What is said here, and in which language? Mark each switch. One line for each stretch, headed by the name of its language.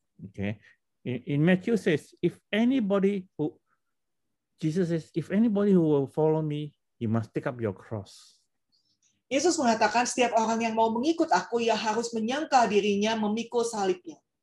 English: Okay. In Matthew says, if anybody who will follow me, you must take up your cross.
Indonesian: Yesus mengatakan setiap orang yang mau mengikut aku ia harus menyangkal dirinya memikul salibnya.